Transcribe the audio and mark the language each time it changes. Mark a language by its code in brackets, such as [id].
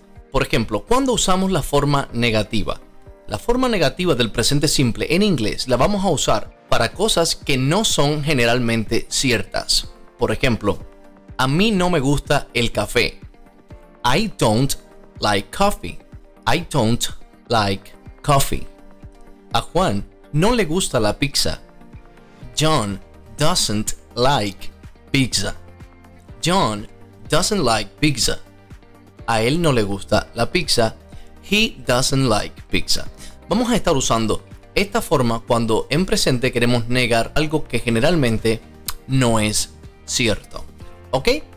[es] Por ejemplo, ¿cuándo usamos la forma negativa? La forma negativa del presente simple en inglés la vamos a usar para cosas que no son generalmente ciertas. Por ejemplo, a mí no me gusta el café. [en] I don't like coffee. I don't like coffee. [es] A Juan no le gusta la pizza. [en] John doesn't like pizza. John doesn't like pizza. [es] A él no le gusta la pizza. [en] He doesn't like pizza. [es] Vamos a estar usando esta forma cuando en presente queremos negar algo que generalmente no es cierto. ¿Ok?